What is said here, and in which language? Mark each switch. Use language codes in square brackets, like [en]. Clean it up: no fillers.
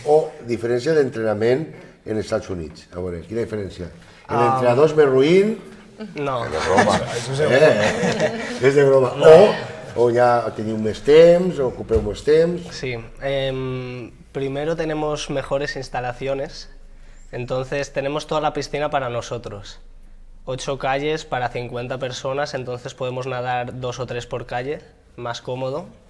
[es] o diferencia de entrenamiento en Estados Unidos? A ver, ¿qué diferencia? ¿El entrenador es más ruin? No. Es de broma. Es de broma. No. [ca] O ya teniu més temps, o ocupeu més temps... [es] Sí, primero tenemos mejores instalaciones, entonces tenemos toda la piscina para nosotros, 8 calles para 50 personas, entonces podemos nadar 2 o 3 por calle, más cómodo.